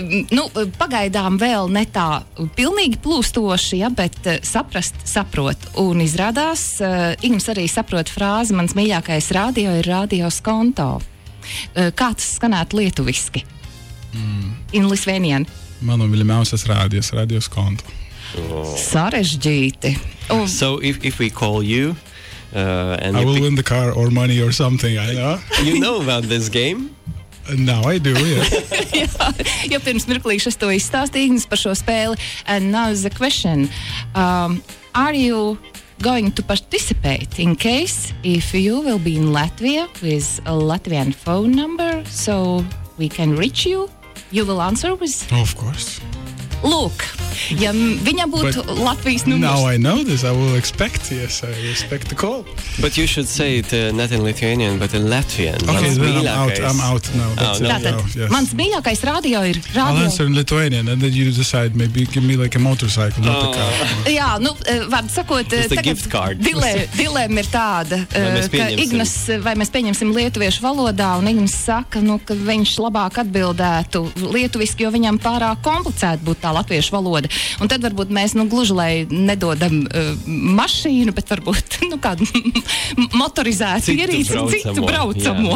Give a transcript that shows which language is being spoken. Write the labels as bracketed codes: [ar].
[lv] Nu, pagaidām vēl ne tā pilnīgi plūstoši, ja, bet saprast, saprot. Un izrādās, Ignas arī saprot frāzi, mans mīļākais rādio ir rādio skonto. Kā tas skanētu lietuviski? In Lisvenien. Mano mīļākais rādios, rādio skonto. Sarežģīti. [en] So if we call you and I will win the car or money or something, I know. You know about this game? No, I do, yes. [lv] Jo pirms mirklīšu es to izstāstīju par šo spēli. [en] And now the question. Are you going to participate in case if you will be in Latvia with a Latvian phone number so we can reach you? You will answer with? Of course. [lv] Look, ja viņa būtu [en] But [lv] Latvijas numurs. [en] Now I know this, I will expect, yes, I expect the call. But you should say it not in Lithuanian, but in Latvian. Okay, then I'm out now. Oh, no. [lv] Tātad, [en] yes. [lv] Mans mīļākais radio ir radio. [en] I'll answer in Lithuanian, and then you decide, maybe give me like a motorcycle, not a car. [lv] Jā, nu, vārdu sakot, dilēma ir tāda, ka Ignas, vai mēs pieņemsim lietuviešu valodā, un Ignas saka, nu, ka viņš labāk atbildētu lietuviski, jo viņam pārāk komplicēt būtu tā latviešu valoda. Un tad varbūt mēs, nu, gluži lai nedodam mašīnu, bet varbūt, nu, kādu motorizētu ierīci, citu braucamo.